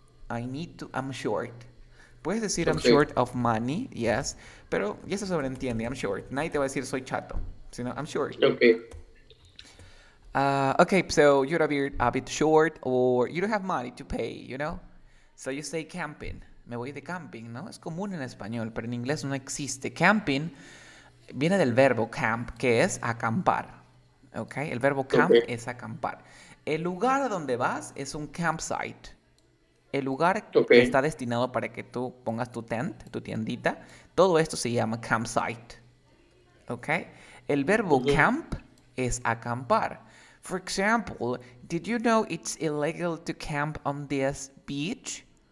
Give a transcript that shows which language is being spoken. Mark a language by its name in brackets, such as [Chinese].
[English] I'm short. [Spanish] Puedes decir [English] I'm Okay. short of money, yes, [Spanish] pero ya se sobreentiende, [English] I'm short. [Spanish] Nadie te va a decir soy chato, sino [English] I'm short. Okay. Okay, so you're a bit short or you don't have money to pay, So you say camping. [Spanish] Me voy de camping, ¿no? Es común en español, pero en inglés no existe. Camping viene del verbo camp, que es acampar. ¿Ok? El verbo camp [English] Okay. [Spanish] es acampar. El lugar a donde vas es un campsite. El lugar que está destinado para que tú pongas tu tent, tu tiendita, todo esto se llama campsite. ¿Ok? El verbo camp es acampar. [English] For example, did you know it's illegal to camp on this beach?